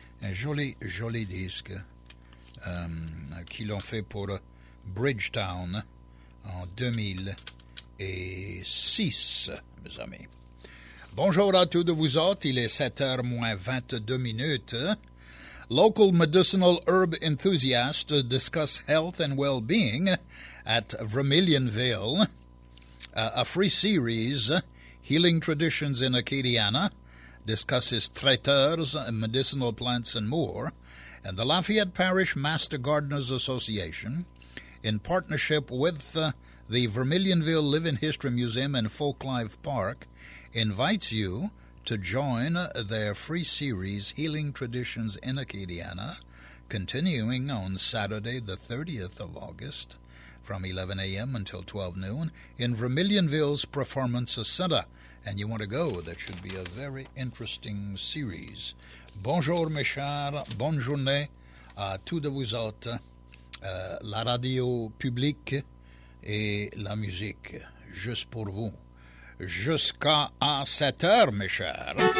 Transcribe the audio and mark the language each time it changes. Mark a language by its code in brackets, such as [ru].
[fr] Un joli, joli disque qui l'ont fait pour Bridgetown en 2006, mes amis. Bonjour à tous de vous autres, il est 7h moins 22 minutes. [en] Local medicinal herb enthusiast discuss health and well-being at Vermilionville, a free series, Healing Traditions in Acadiana, discusses traiteurs, medicinal plants and more, and the Lafayette Parish Master Gardeners Association, in partnership with the Vermilionville Living History Museum and Folklife Park, invites you to join their free series, Healing Traditions in Acadiana, continuing on Saturday, the 30th of August, from 11 a.m. until 12 noon, in Vermilionville's Performance Center. And you want to go, that should be a very interesting series. [fr] Bonjour, mes chers. Bonne journée à tous de vous autres. La radio publique et la musique, juste pour vous. Jusqu'à 7h, mes chers.